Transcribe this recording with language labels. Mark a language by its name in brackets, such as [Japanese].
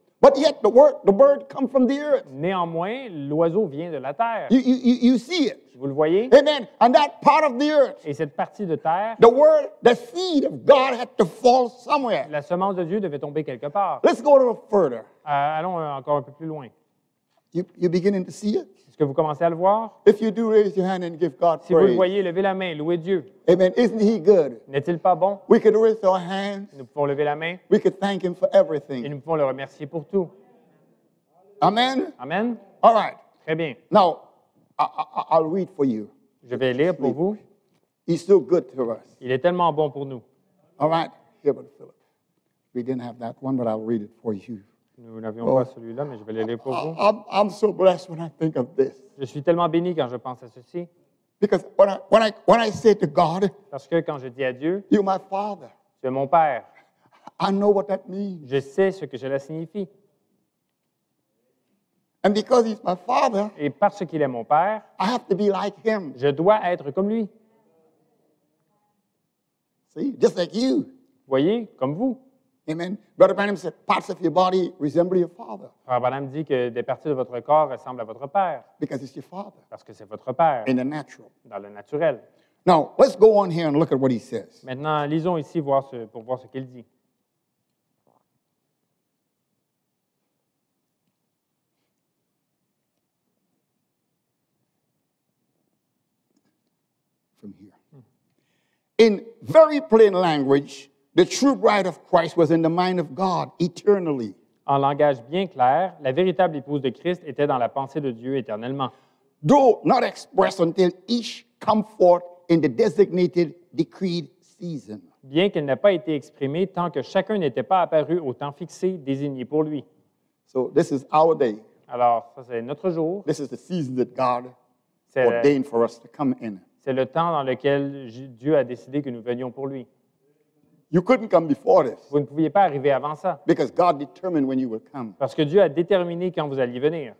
[English] But yet the bird comes from the earth. [French] Néanmoins, l'oiseau vient de la terre. [English] You see it. [French] Vous le voyez? [English] Amen. And that part of the earth. [French] Et cette partie de terre. [English] The word, the seed of God had to fall somewhere. [French] La semence de Dieu devait tomber quelque part. [English] Let's go a little further. [French] Allons encore un peu plus loin. [English] You beginning to see it? [French] Est-ce que vous commencez à le voir? [English] If you do, raise your hand and give God praise. [French] Si vous le voyez, levez la main, louez Dieu. [English] Amen. Isn't he good? [French] N'est-il pas bon? [English] We could raise our hands. [French] Nous pouvons lever la main. [English] We could thank him for everything. [French] Et nous pouvons le remercier pour tout. [English] Amen. [French] Amen. [English] All right. [French] Très bien. [English] Now, I'll read for you. [French] Je vais lire pour vous. [English] He's so good to us. [French] Il est tellement bon pour nous. [English] All right. Here, Brother Philip. We didn't have that one, but I'll read it for you. [French] Nous n'avions pas celui-là, mais je vais l'aider pour vous. [English] I'm so blessed when I think of this. [French] Je suis tellement béni quand je pense à ceci. [English] Because when I say to God, [French] parce que quand je dis à Dieu, [English] you're my father. [French] Tu es mon père. [English] I know what that means. [French] Je sais ce que cela signifie. [English] And because he's my father, [French] et parce qu'il est mon père, [English] I have to be like him. [French] Je dois être comme lui. [English] See, just like you. [French] Voyez, comme vous. [English] Amen. Brother Branham said parts of your body resemble your father. [French] Frère Branham dit que des parties de votre corps ressemblent à votre père. [English] Because it's your father. [French] Parce que c'est votre père. [English] In the natural. [French] Dans le naturel. [English] Now let's go on here and look at what he says. [French] Maintenant, lisons ici voir ce, pour voir ce qu'il dit. [English] From here. In very plain language. The true bride of Christ was in the mind of God eternally. [French] En langage bien clair, la véritable épouse de Christ était dans la pensée de Dieu éternellement. [English] Though not expressed until each come forth in the designated decreed season. [French] Bien qu'elle n'ait pas été exprimée tant que chacun n'était pas apparu au temps fixé désigné pour lui. [English] So this is our day. [French] Alors, ça c'est notre jour. [English] This is the season that God ordained for us to come in. [French] C'est le temps dans lequel Dieu a décidé que nous venions pour lui. [English] You couldn't come before this. [French] Vous ne pouviez pas arriver avant ça. [English] Because God determined when you will come. [French] Parce que Dieu a déterminé quand vous alliez venir.